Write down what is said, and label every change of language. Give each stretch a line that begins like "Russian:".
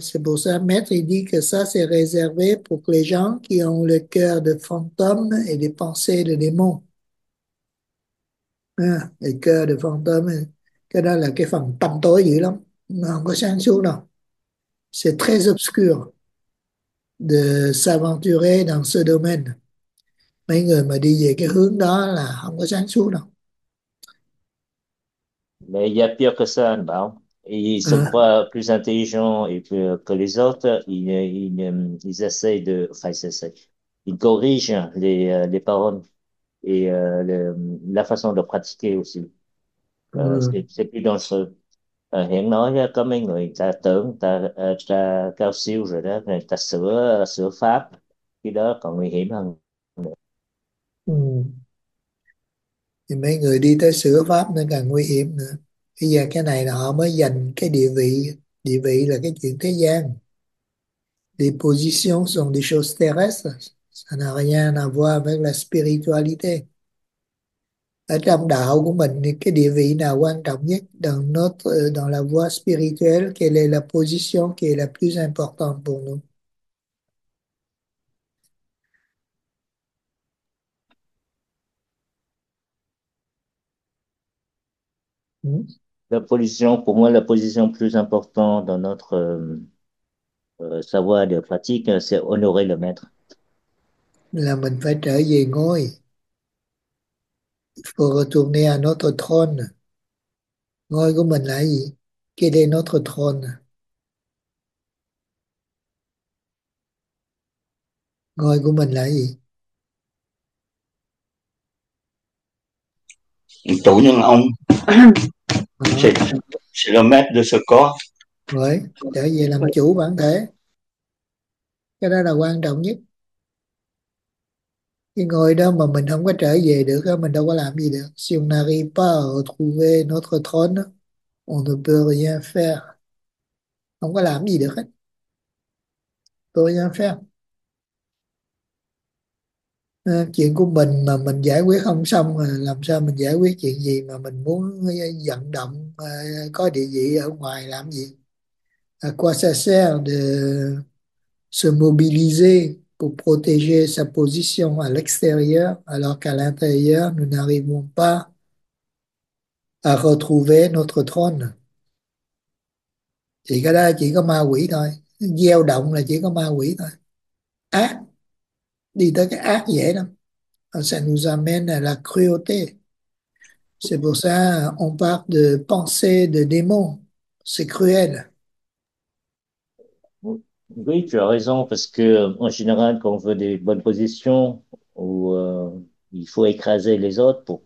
French: C'est pour ça, maître il dit que ça c'est réservé pour les gens qui ont le cœur de fantôme et des pensées de démons. Le cœur de fantôme,
Vietnamese: cái đó là cái phần tâm tối dữ lắm, nó không có sáng suốt đâu.
French: C'est très obscur de s'aventurer dans ce domaine.
Vietnamese: Mấy người mà đi về cái hướng đó là không có sáng suốt đâu.
French: Mais il y a pire que ça, non? Ils se croient plus intelligents et plus que les autres. Ils essayent de, enfin, ils corrigent les paroles et la façon de pratiquer aussi. C'est plus dangereux.
Vietnamese: Hiện nói là có mấy người ta tưởng ta cao siêu rồi đó, người ta sửa sửa pháp, cái đó còn nguy hiểm hơn. Thì mấy người đi tới sửa pháp nó càng nguy hiểm nữa. Bây giờ cái này là họ mới giành cái địa vị. Địa vị là cái chuyện thế gian.
French: Les positions sont des choses terrestres. Ça n'a rien à voir avec la spiritualité.
Vietnamese: Ở trong đạo của mình, cái địa vị nào quan trọng nhất?
French: Dans la voie spirituelle, quelle est la position qui est la plus importante pour nous? La position, pour moi, la position plus importante dans notre savoir de pratique, c'est honorer le maître.
Vietnamese: Là mình phải trở về ngôi,
French: faut retourner à notre trône.
Vietnamese: Ngôi của mình là gì?
French: Quel est notre trône?
Vietnamese: Ngôi của mình là gì? Chủ nhân ông Đó.
French: c'est le maître de ce corps.
Vietnamese: Rồi, trở về làm chủ bản thể. Cái đó là quan trọng nhất. Cái ngôi đó mà mình không có trở về được, mình đâu có làm gì được.
French: Si on n'arrive pas à retrouver notre trône, on ne peut rien faire.
Vietnamese: Không có làm gì được hết. Tôi
French: rien faire.
Vietnamese: Chuyện của mình mà mình giải quyết không xong, làm sao mình giải quyết chuyện gì mà mình muốn vận động có địa vị ở ngoài làm gì?
French: À quoi ça sert de se mobiliser pour protéger sa position à l'extérieur alors qu'à l'intérieur nous n'arrivons pas à retrouver notre trône?
Vietnamese: Chỉ cái đó chỉ có ma quỷ thôi, dao động là chỉ có ma quỷ thôi. Ác, đi tới cái ác dễ lắm.
French: Ça nous amène à la cruauté. C'est pour ça on parle de pensée de démon. C'est cruel. Oui, tu as raison, parce que en général, quand on veut des bonnes positions, où il faut écraser les autres pour